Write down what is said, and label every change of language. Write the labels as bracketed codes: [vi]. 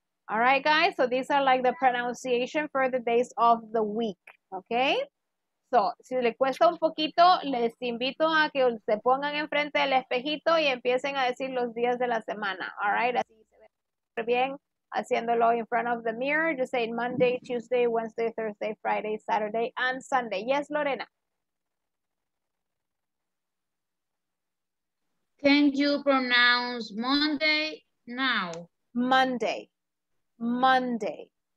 [en] All right, guys, so these are like the pronunciation for the days of the week, okay? So, [es] si le cuesta un poquito, les invito a que se pongan enfrente del espejito y empiecen a decir los días de la semana, [en] all right? [es] Así se ve bien haciéndolo [en] in front of the mirror. Just say Monday, Tuesday, Wednesday, Thursday, Friday, Saturday, and Sunday. Yes, Lorena. Can you pronounce Monday now? Monday. Monday.